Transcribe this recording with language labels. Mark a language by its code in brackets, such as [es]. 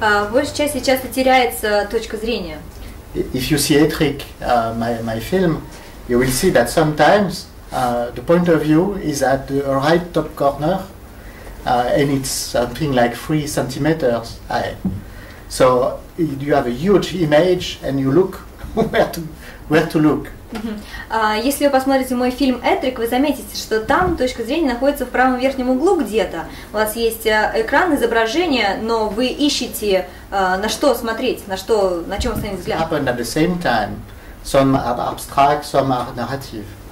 [ru] Большей части часто теряется точка зрения. [en] If you see a trick, my film, you will see that sometimes the point of view is at the right top corner, and it's something like 3 centimeters high. So you have a huge image, and you look where to look. [ru] Если вы посмотрите мой фильм «Этрик», вы заметите, что там точка зрения находится в правом верхнем углу где-то. У вас есть экран, изображение, но вы ищете, на что смотреть, на чем остановить взгляд. [en] Happened at the same time. Some are abstract, some are narrative.